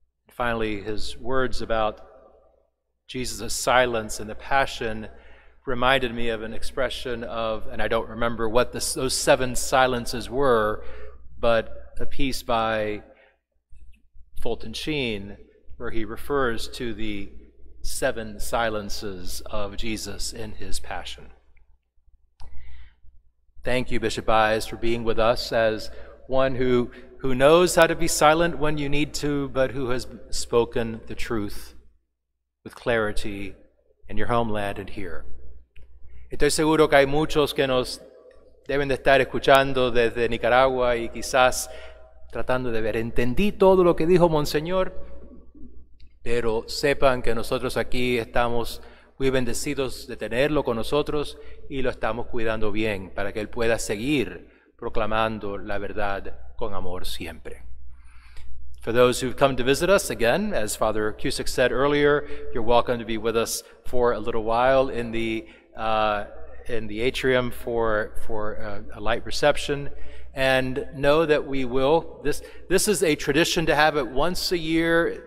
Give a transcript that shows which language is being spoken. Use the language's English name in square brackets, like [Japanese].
[English] Finally, his words about Jesus' silence and the passion reminded me of an expression of, and I don't remember what those seven silences were, but a piece by Fulton Sheen where he refers to the seven silences of Jesus in his passion. Thank you, Bishop Baez, for being with us as one who knows how to be silent when you need to, but who has spoken the truth with clarity in your homeland and here. [Spanish] Estoy seguro que hay muchos que nos deben de estar escuchando desde Nicaragua y quizás tratando de ver, entendí todo lo que dijo Monseñor, pero sepan que nosotros aquí estamos muy bendecidos de tenerlo con nosotros y lo estamos cuidando bien para que él pueda seguir proclamando la verdad con amor siempre. [English] For those who've come to visit us, again, as Father Cusick said earlier, you're welcome to be with us for a little while in the atrium for a light reception. And know that we will, this is a tradition to have it once a year.